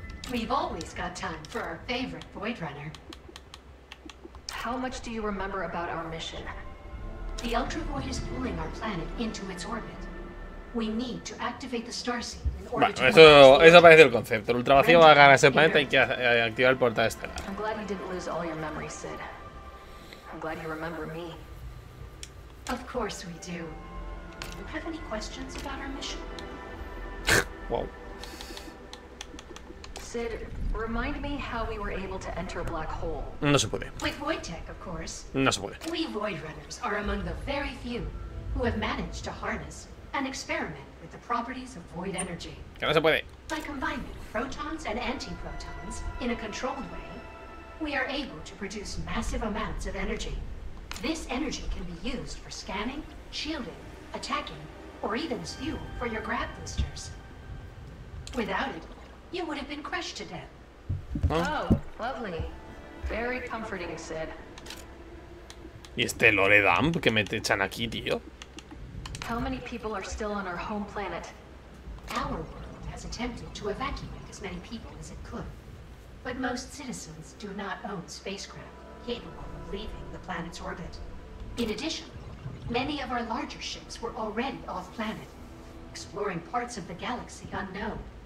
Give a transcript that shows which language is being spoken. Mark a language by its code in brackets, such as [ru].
[en] We've always got time for our favorite Void Runner. How much do you remember about our mission? The Ultra Void is pulling our planet into its orbit. We need to activate the starseed in order to... [es] Eso parece el concepto. El ultra vacío va a ganar ese planeta y activar el portal estelar. [en] I'm glad you didn't lose all your memories, Sid. I'm glad you remember me. Of course we do. Do you have any questions about our mission? Wow. Sid, remind me how we were able to enter a black hole. [es] No se puede. [en] With void tech, of course. [es] No se puede. [en] We void runners are among the very few who have managed to harness and experiment with the properties of void energy. [es] Que no se puede. [en] By combining protons and antiprotons in a controlled way, we are able to produce massive amounts of energy. This energy can be used for scanning, shielding, attacking, or even as fuel for your grab boosters. Without it, you would have been crushed to death. Huh? Oh, lovely. Very comforting, Sid. [es] ¿Y este lore dump que me te echan aquí, tío? [en] How many people are still on our home planet? Our world has attempted to evacuate as many people as it could. But most citizens do not own spacecraft capable of leaving the planet's orbit. In addition, many of our larger ships were already off planet, exploring parts of the galaxy unknown.